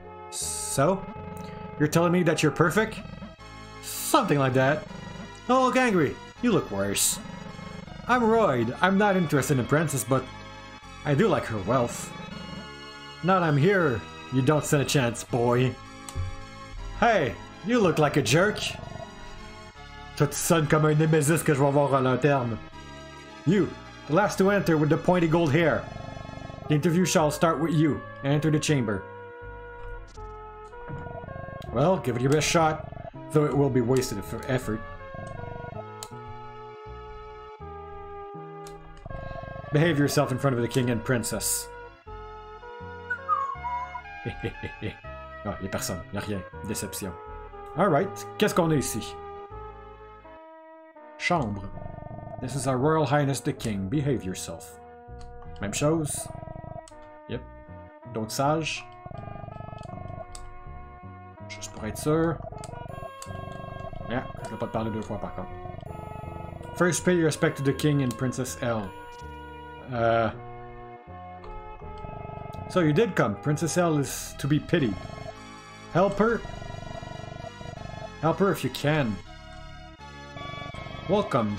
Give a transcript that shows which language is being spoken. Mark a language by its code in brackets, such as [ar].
[en] So? You're telling me that you're perfect? Something like that. Don't look angry. You look worse. I'm Royd. I'm not interested in princess, but I do like her wealth. Now that I'm here, you don't stand a chance, boy. Hey, you look like a jerk. [fr] Toi, tu sonnes comme un némésis que je vais avoir à long terme. [en] You, the last to enter with the pointy gold hair. The interview shall start with you. Enter the chamber. Well, give it your best shot. Though it will be wasted for effort. Behave yourself in front of the king and princess. [fr] Ah, y'a personne, y'a rien. Déception. [en] Alright, [fr] qu'est-ce qu'on a ici? [en] Chambre. This is our Royal Highness the King. Behave yourself. [fr] Même chose. [en] Yep. [fr] D'autres sages. Juste pour être sûr. [en] Yeah, [fr] je vais pas te parler deux fois par contre. [en] First, pay your respect to the king and princess L. So you did come. Princess L is to be pitied. Help her. Help her if you can. Welcome.